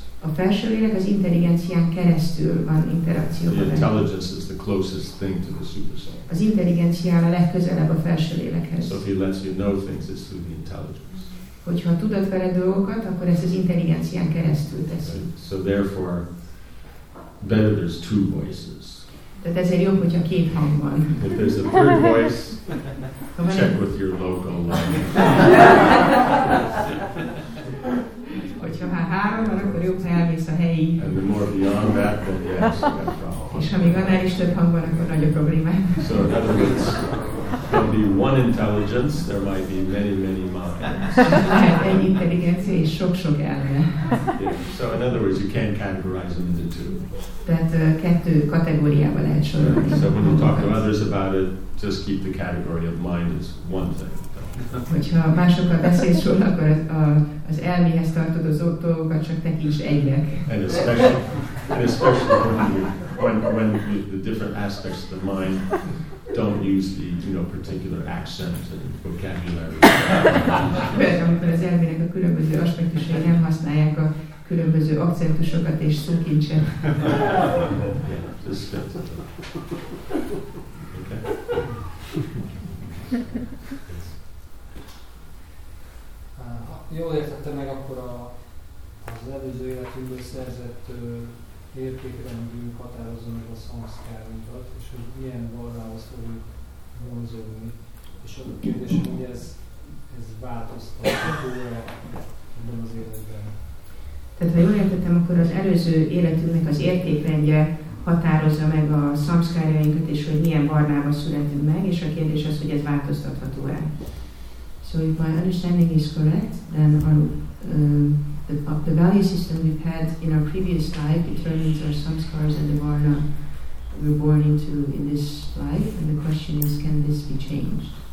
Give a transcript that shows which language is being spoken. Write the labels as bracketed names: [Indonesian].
[Hungarian] A felső lélek az intelligencián keresztül van interakcióban. [English] The intelligence is the closest thing to the super soul. [Hungarian] Az intelligencia a legközelebb a felső lélekhez. [English] So if he lets you know things, it's through the intelligence. [Hungarian] Hogyha tudod vele dolgokat, akkor ez az intelligencián keresztül teszi. [English] Right. So therefore, better there's two voices. [Hungarian] Tehát ezért jobb, hogyha két hang van. [English] If there's a third voice, check with your local [Hungarian] Hogyha már három van, akkor jobb, ha elmész a helyi. [English] And the more beyond that, then yes, that's wrong. [Hungarian] És ha még annál is több hang van, akkor nagy a probléma. [English] So in other words, there'll be one intelligence, there might be many, many minds. [Hungarian] Hát egy intelligencia és sok-sok elme. [English] Yeah. So in other words, you can't categorize them into two. [Hungarian] Tehát kettő kategóriába lehet sorolni. [English] So when you talk to others about it, just keep the category of mind as one thing. [Hungarian] Hogyha másokkal beszélsz róla, akkor az elméhez tartod az ott dolgokat, csak tekints egynek. [English] And especially when the different aspects of the mind don't use the, you know, particular accent and vocabulary. [Hungarian] Amikor az elmének a különböző aspektusai nem használják a különböző akcentusokat és szókincset. [English] Yeah, just get to the... Okay. [Hungarian] Jól értette meg akkor az előző életünkből szerzett értékrendünk határozza meg a szamszkárunkat, és hogy milyen vallához fogjuk vonzódni. És a kérdés, hogy ez változtatható-e ebben az életben. Tehát ha jól értettem, akkor az előző életünknek az értékrendje határozza meg a szamszkárjainkat, és hogy milyen barnába születünk meg, és a kérdés az, hogy ez változtatható-e. [English] So if my understanding is correct, then the value system we've had in our previous life determines our samskaras and the varna we're born into in this life, and the question is, can this be changed?